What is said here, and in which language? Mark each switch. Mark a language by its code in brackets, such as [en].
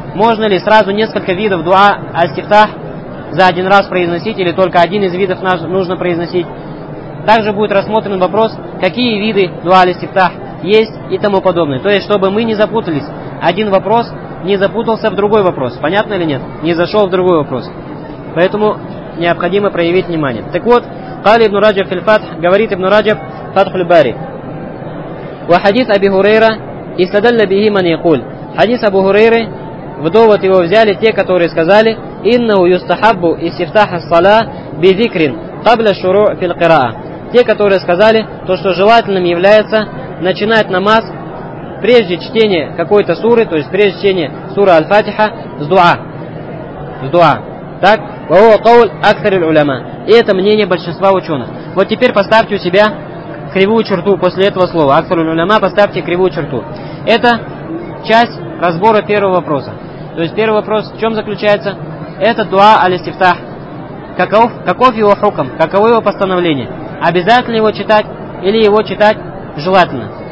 [ru] Можно ли сразу несколько видов дуа аль-истифтах за один раз произносить или только один из видов нужно произносить? Также будет рассмотрен вопрос, какие виды дуа аль-истифтах есть и тому подобное. То есть, чтобы мы не запутались. Один вопрос не запутался в другой вопрос. Понятно или нет? Не зашел в другой вопрос. Поэтому необходимо проявить внимание. Так вот, [ar] قال ابن رجب في الفتح [ru] говорит [ar] ابن رجب فتح الباري وحديث أبي هريرة استدل به من يقول حديث أبو هريرة [ru] в довод его взяли те, которые сказали [ar] إنه يستحب استفتاح الصلاة بذكر قبل الشروع في القراءة. [ru] Те, которые сказали, то что желательным является начинать намаз прежде чтения какой-то суры, то есть прежде чтения суры Аль-Фатиха, с дуа. [ar] Так, وهو قول أكثر العلماء. [ru] И это мнение большинства ученых. Вот теперь поставьте у себя кривую черту после этого слова. Аксалюль уляма, поставьте кривую черту. Это часть разбора первого вопроса. То есть первый вопрос в чем заключается? Это дуа аль-истифтах. Каков его хукм? Каково его постановление? Обязательно его читать или его читать желательно?